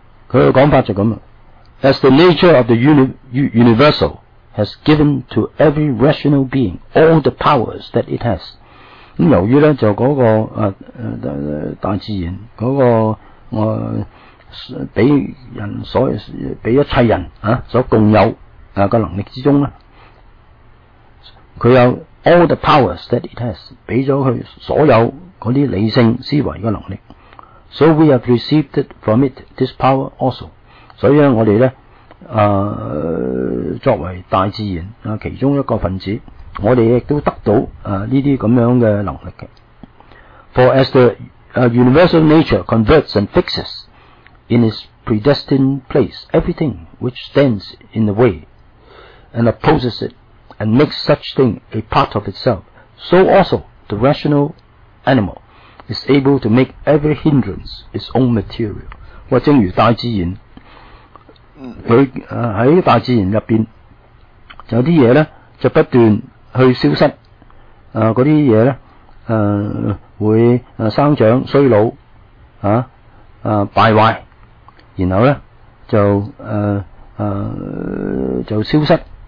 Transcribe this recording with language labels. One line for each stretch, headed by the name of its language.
Cantonese: 佢嘅讲法就咁啊
English: ，As the nature of the universal has given to every rational being all the powers that it has。
Cantonese: 咁由于咧就嗰、那个大自然嗰、那个俾人所俾一切人所共有嘅能力之中咧，佢有
English: all the powers that it has，
Cantonese: 俾咗佢所有嗰啲理性思维嘅能力。
English: So we have received it from it this power also。
Cantonese: 所以我哋咧，作为大自然其中一个分子，我哋亦都得到呢啲咁样嘅能力嘅。
English: For as the universal nature converts and fixes in its predestined place everything which stands in the way and opposes it and makes such thing a part of itself, so also the rational animal is able to make every hindrance its own material。
Cantonese: 或正如大自然，佢喺大自然入边有啲嘢咧就不断去消失，嗰啲嘢咧会生长衰老败坏，然后咧就消失。